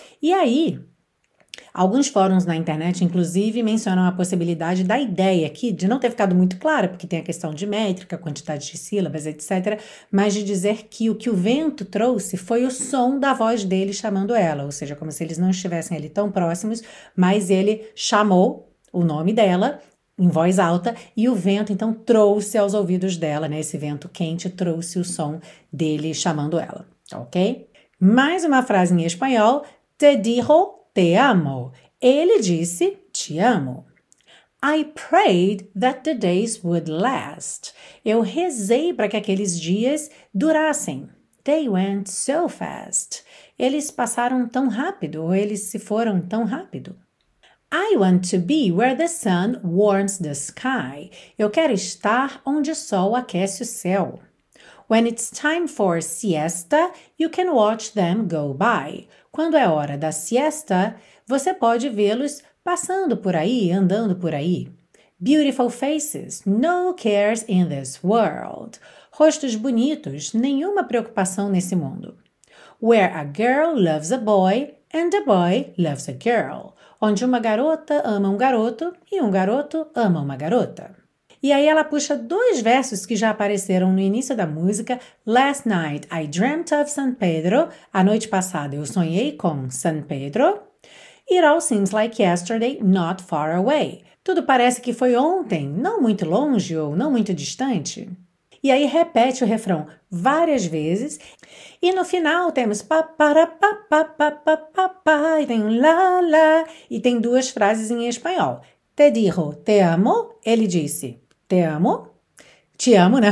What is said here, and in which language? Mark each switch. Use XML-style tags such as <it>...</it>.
<pt>E aí, alguns fóruns na internet, inclusive, mencionam a possibilidade da ideia aqui de não ter ficado muito clara, porque tem a questão de métrica, quantidade de sílabas, etc., mas de dizer que o vento trouxe foi o som da voz dele chamando ela, ou seja, como se eles não estivessem ali tão próximos, mas ele chamou o nome dela em voz alta e o vento, então, trouxe aos ouvidos dela, né? Esse vento quente trouxe o som dele chamando ela, ok? Mais uma frase em espanhol,</pt> <es>te dijo...</es> <pt>Te amo. Ele disse, te amo.</pt> <en>I prayed that the days would last.</en> <pt>Eu rezei para que aqueles dias durassem.</pt> <en>They went so fast.</en> <pt>Eles passaram tão rápido, ou eles se foram tão rápido.</pt> <en>I want to be where the sun warms the sky.</en> <pt>Eu quero estar onde o sol aquece o céu.</pt> <en>When it's time for siesta, you can watch them go by.</en> <pt>Quando é hora da siesta, você pode vê-los passando por aí, andando por aí.</pt> <en>Beautiful faces, no cares in this world.</en> <pt>Rostos bonitos, nenhuma preocupação nesse mundo.</pt> <en>Where a girl loves a boy and a boy loves a girl.</en> <pt>Onde uma garota ama um garoto e um garoto ama uma garota. E aí ela puxa dois versos que já apareceram no início da música.</pt> <en>Last night I dreamt of San Pedro.</en> <pt>A noite passada eu sonhei com San Pedro.</pt> <en>It all seems like yesterday, not far away.</en> <pt>Tudo parece que foi ontem, não muito longe ou não muito distante. E aí repete o refrão várias vezes. E no final temos pa para pa pa pa pa pa pa e tem um la la. E tem duas frases em espanhol.</pt> <es>Te dijo,</es> <pt>te amo. Ele disse... Te amo, te amo, né?</pt>